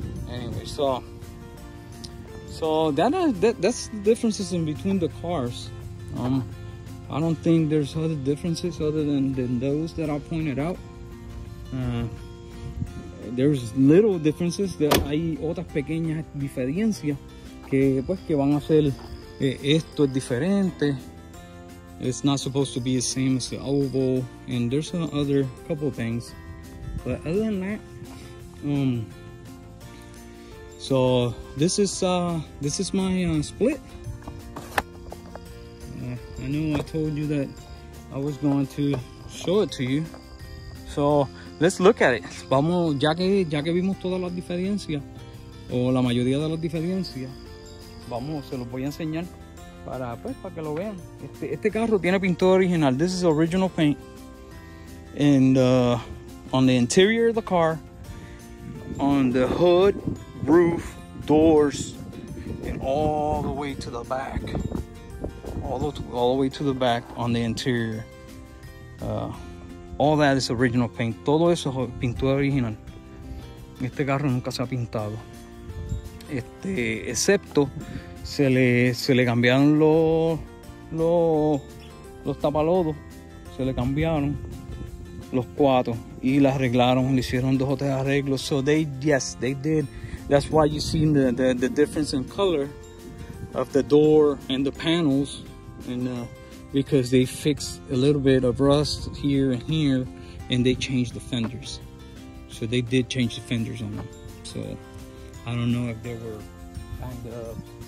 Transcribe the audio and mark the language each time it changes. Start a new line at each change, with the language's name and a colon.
English: Anyway, so that's the differences in between the cars. I don't think there's other differences other than those that I pointed out. There's little differences.
Spanish: Hay otras pequeñas diferencias que pues que van a hacer esto es diferente.
English: It's not supposed to be the same as the oval, and there's some other couple things, but other than that, so this is my split. I know I told you that I was going to show it to you, so let's look at it.
Spanish: Vamos, ya que vimos todas las diferencias o la mayoría de las diferencias, vamos, se los voy a enseñar. Para, pues, para que lo vean. Este carro tiene pintura original.
English: This is original paint. And on the interior of the car, on the hood, roof, doors, and all the way to the back. All the way to the back on the interior. All that is original paint.
Spanish: Todo eso es pintura original. Este carro nunca se ha pintado. Excepto. Se le cambiaron los tapalodos, se le cambiaron los cuatro y la arreglaron, le hicieron dos o tres arreglos.
English: So they did. That's why you see the difference in color of the door and the panels, and because they fixed a little bit of rust here, and they changed the fenders. So they did change the fenders on them. So I don't know if they were kind of.